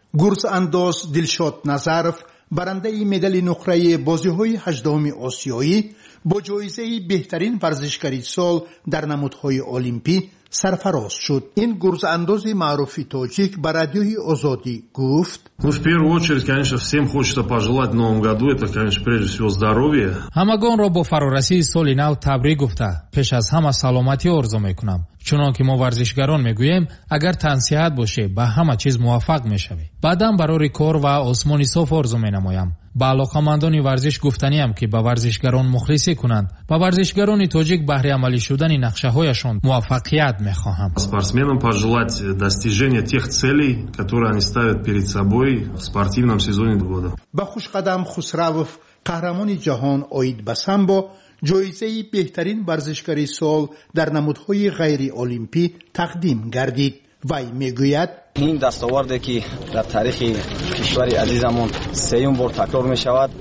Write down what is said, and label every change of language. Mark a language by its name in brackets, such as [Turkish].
[Persian] گرز انداز دلشاد نظرف برنده مدال نقره بازی های 18 آسیایی با جایزه بهترین ورزشکاری سال در نمودهای المپی سرفراز شد. این گرز انداز معروف تاجیک به رادیوی آزادی گفت: [Russian] в первую очередь, конечно, всем хочется пожелать новому году, это, конечно, прежде всего здоровья. [Persian] همگان را با فرارسید سال نو تبریک گفته، پیش از همه سلامتی آرزو میکنم. چنان که ما ورزشگران میگوییم، اگر تنصیحت باشه به همه چیز موفق میشوی. بعدم برای کار و آسمانی صاف آرزو مینمایم. با علاقه‌مندان ورزش گفتنیم که به ورزشگران مخلصی کنند. با ورزشگران تاجیک بهره عملی شدن نقشه هایشان موفقیت میخواهم. [Russian] спортсменам пожелать достижения тех целей, которые они ставят перед собой в спортивном сезоне года. [Persian] به خوشقدم خسروف قهرمان جهان اید بسامبو جایزه بهترین ورزشکاری سال در نمودهای غیر المپی تقدیم گردید. وی میگوید: این دستاورده که در تاریخ کشور عزیزمون سیوم بار تکرار می شود.